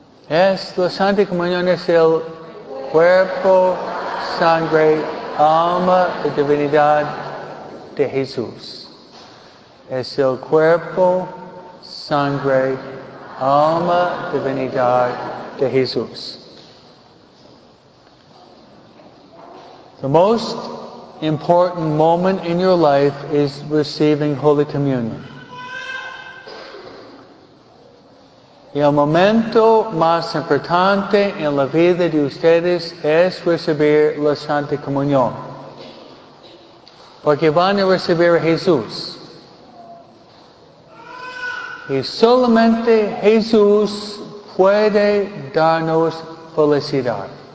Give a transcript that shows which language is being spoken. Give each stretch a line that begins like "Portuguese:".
Spanish: Es la Santa Comunión, es el cuerpo, sangre, alma y divinidad de Jesús. Es el cuerpo, sangre, alma, divinidad de Jesús.
English: The most important moment in your life is receiving Holy Communion.
Spanish: Y el momento más importante en la vida de ustedes es recibir la Santa Comunión. Porque van a recibir a Jesús. Y solamente Jesús puede darnos felicidad.